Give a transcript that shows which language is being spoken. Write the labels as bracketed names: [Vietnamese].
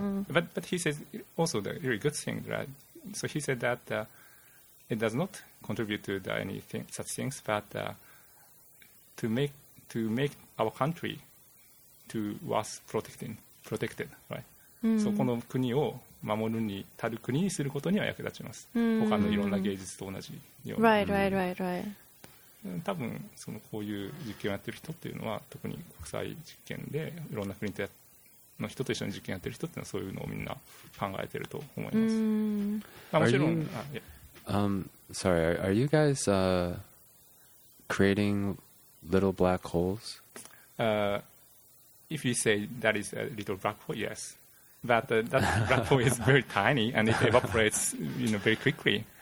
[English] but he says also the really good thing, right? So he said that it does not contribute to the anything such things, but to make our country to worth protected, right? [Japanese] So この国を守るにたる国にすることには役立ちます。他のいろんな芸術と同じように。 [English] Right. [Japanese] 多分そのこういう実験をやってる人っていうのは特に国際実験でいろんな国の人と一緒に実験やってる人っていうのはそういうのをみんな考えてると思います。もちろん。 [English] Sorry, are you guys creating little black holes? If you say that is a little black hole, yes. But that black hole is very tiny and it evaporates, you know, very quickly.